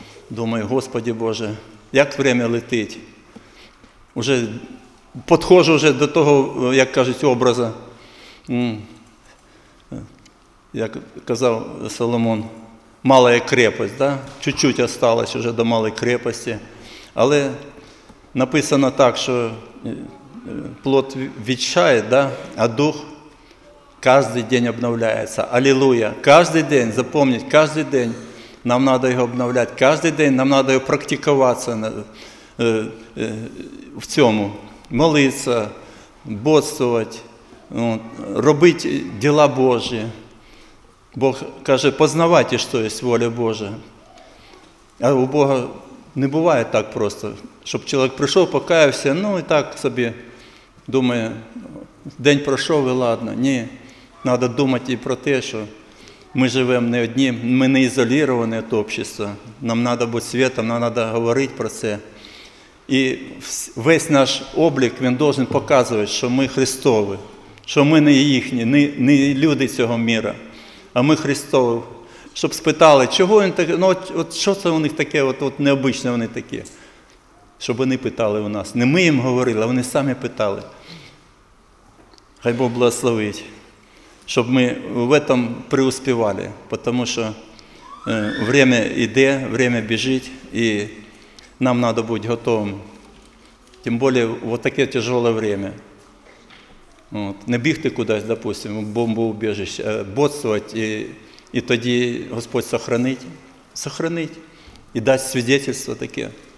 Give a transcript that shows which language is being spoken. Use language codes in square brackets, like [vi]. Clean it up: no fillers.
[uk] Думаю, Господи Боже, як время летить. Уже підходжу вже до того, як кажуть, образа. Як казав Соломон, мала крепость, да? [ru] Чуть-чуть осталось уже [uk] до малої крепості. Але написано так, що плод відчає, да? [ru] А дух каждый день обновляется. Аллилуйя. Каждый день, запомнить, каждый день нам надо его обновлять. Каждый день нам надо практиковаться в цьому. Молиться, бодствовать, робить дела Божьи. Бог каже, познавайте, что есть воля Божья. А у Бога не бывает так просто, чтобы человек пришел, покаявся, и так себе думает, день прошел, и ладно. [uk] Ні. Надо думати і про те, що ми живемо не одні, ми не ізолірувані від общества. Нам треба бути світом, нам треба говорити про це. І весь наш облік, він должен показувати, що ми Христові, що ми не їхні, не люди цього міра, а ми Христові. Щоб спитали, чого він таке, що це у них таке, необычне вони такі. Щоб вони питали у нас. Не ми їм говорили, а вони самі питали. Хай Бог благословить. [ru] чтобы мы в этом преуспевали, потому что время идет, время бежит, и нам надо быть готовым. Тем более вот такое тяжелое время. Вот. Не бегти куда-то, допустим, в бомбоубежище, а бодствовать, и тогда Господь сохранит и даст свидетельство такое.